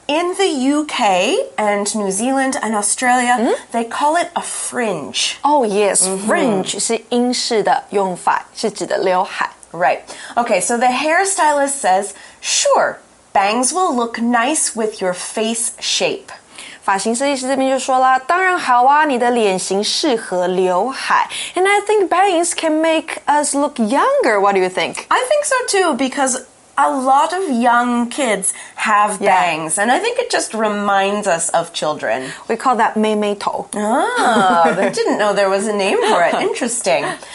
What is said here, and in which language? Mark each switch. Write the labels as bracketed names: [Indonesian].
[English] In the UK and New Zealand and Australia, mm-hmm. they call it a fringe. Oh, yes. Fringe is [Chinese] 英式的用法是指的刘海。 [English] Right. Okay, so the hairstylist says, sure, bangs will look nice with your face shape. [Chinese] 发型设计师这边就说啦，当然好啊，你的脸型适合刘海。 [English] And I think bangs can make us look younger. What do you think? I think so too, because a lot of young kids have bangs. Yeah. And I think it just reminds us of children. We call that [Chinese] 妹妹头。 [English] Ah, I didn't know there was a name for it. Interesting.